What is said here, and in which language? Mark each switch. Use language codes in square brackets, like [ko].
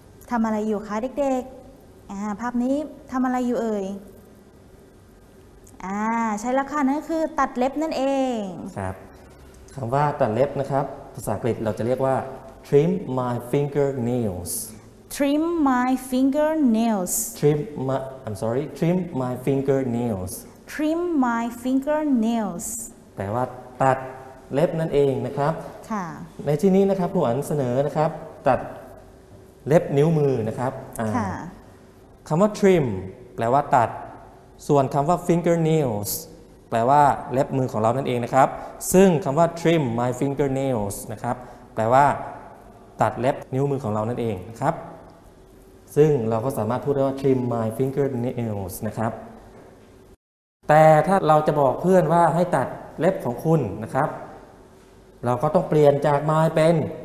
[th] ทำอะไรอยู่คะเด็กๆภาพนี้ทำอะไรอยู่เอ่ยใช่แล้วค่ะนั่นคือตัดเล็บนั่นเอง ครับคำว่าตัดเล็บนะครับภาษาอังกฤษเราจะเรียกว่า [en] trim my fingernails trim my fingernails trim my I'm sorry trim my fingernails trim my fingernails [th] แปลว่าตัดเล็บนั่นเองนะครับ ค่ ะ ในที่นี้นะครับครูอันเสนอนะครับตัดเล็บนิ้วมือนะครับ ค่ะ คำว่า trim แปลว่าตัดส่วนคำว่า fingernails แปลว่าเล็บมือของเรานั่นเองนะครับซึ่งคำว่า [en] trim my fingernails [th] นะครับแปลว่าตัดเล็บนิ้วมือของเรานั่นเองนะครับซึ่งเราก็สามารถพูดได้ว่า trim my fingernails นะครับแต่ถ้าเราจะบอกเพื่อนว่าให้ตัดเล็บของคุณนะครับเราก็ต้องเปลี่ยนจาก my เป็น